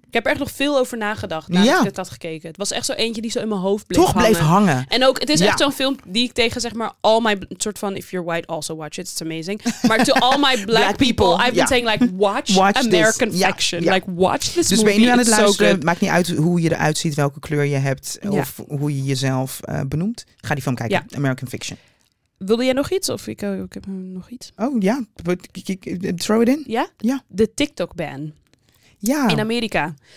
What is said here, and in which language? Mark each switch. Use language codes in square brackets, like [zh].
[nl] Ik heb er echt nog veel over nagedacht nadat ik het had gekeken. Het was echt zo eentje die zo in mijn hoofd bleef hangen. En ook, het is echt zo'n film die ik tegen zeg maar [en] all my... [nl] soort van, [en] if you're white, also watch it. It's amazing. [nl] Maar [en] to all my black people I've been saying like, watch American Fiction. [nl] Ja. [en] Like, watch this [nl] dus Dus ben je nu aan het luisteren. Maakt niet uit hoe je eruit ziet, welke kleur je hebt. Ja. Of hoe je jezelf benoemt. Ga die film kijken. Ja. American Fiction. Wilde jij nog iets? Of ik heb nog iets. [en] Oh [nl] ja, [en] throw it in. [nl] Ja? Ja. De TikTok ban. Ja. In Amerika.